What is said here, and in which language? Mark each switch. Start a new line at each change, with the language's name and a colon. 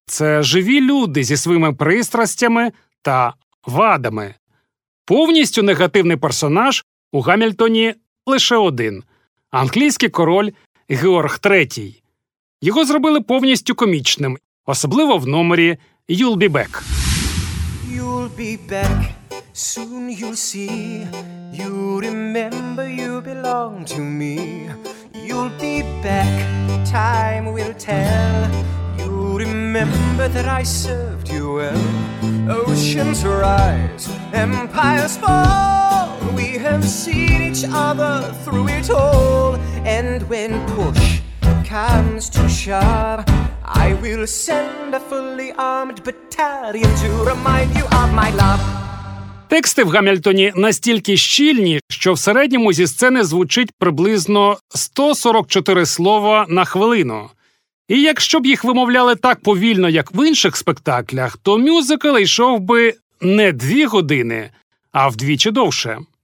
Ukrainian: Це живі люди зі своїми пристрастями та вадами. Повністю негативний персонаж у Гамільтоні лише один – англійський король Георг III. Його зробили повністю комічним, особливо в номері «You'll be back».
English: You'll be back, soon you'll see, you remember you belong to me. You'll be back, time will tell, you remember that I served you well. Oceans rise, empires fall, we have seen each other through it all. And when push comes to shove, I will send a fully armed battalion to remind you of my love.
Ukrainian: Тексти в Гамільтоні настільки щільні, що в середньому зі сцени звучить приблизно 144 слова на хвилину. І якщо б їх вимовляли так повільно, як в інших спектаклях, то мюзикл йшов би не 2 години, а вдвічі довше.